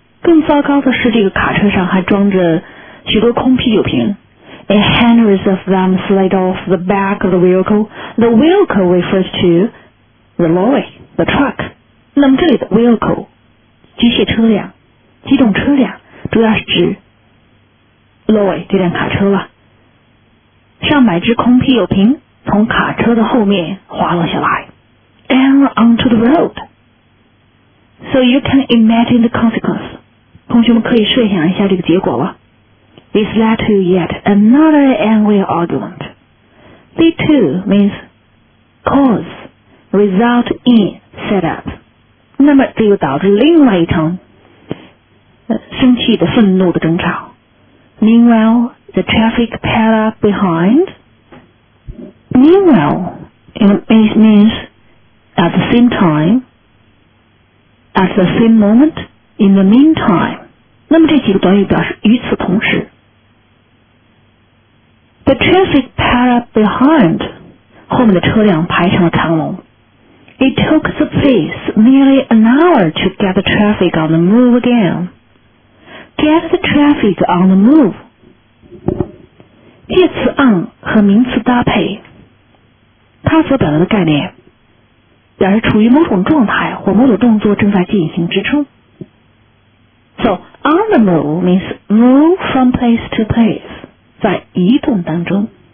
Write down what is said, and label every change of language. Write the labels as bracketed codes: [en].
[zh] 更糟糕的是这个卡车上还装着许多空啤酒瓶。 [en] A hundreds of them slid off the back of the vehicle. The vehicle refers to the lorry, the truck. [zh] 那么这里的 vehicle, 机械车辆、机动车辆主要是指 lorry 这辆卡车了。上百只空啤酒瓶从卡车的后面滑落下来 [en] and onto the road. So you can imagine the consequence. [zh] 同学们可以设想一下这个结果了。 [en] This led to yet another angry argument. Lead to means cause, result in, set up. [zh] 那么这又导致另外一场生气的愤怒的争吵。 [en] Meanwhile,The traffic piled up behind. Meanwhile, it means at the same time, at the same moment, in the meantime. [zh] 那么这几个短语表示与此同时。 [en] The traffic piled up behind. [zh] 后面的车辆排成了长龙。 [en] It took the police nearly an hour to get the traffic on the move again. Get the traffic on the move. [zh] 介词 on 和名词搭配，它所表达的概念表示处于某种状态或某种动作正在进行之中。 [en] So, on the move means move from place to place, [zh] 在移动当中。